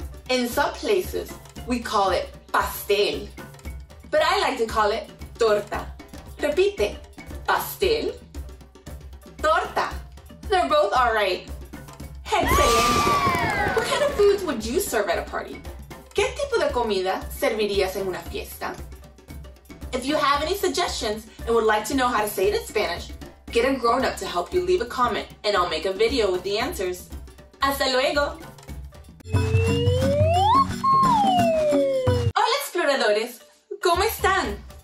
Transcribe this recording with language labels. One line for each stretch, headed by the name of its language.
English: In some places, we call it pastel. But I like to call it torta.
Spanish: Repite. Pastel. Torta.
English: They're both all right.
Spanish: Excelente.
English: What kind of foods would you serve at a party?
Spanish: ¿Qué tipo de comida servirías en una fiesta?
English: If you have any suggestions and would like to know how to say it in Spanish, get a grown-up to help you leave a comment, and I'll make a video with the answers.
Spanish: ¡Hasta luego! ¡Hola, exploradores! ¿Cómo están?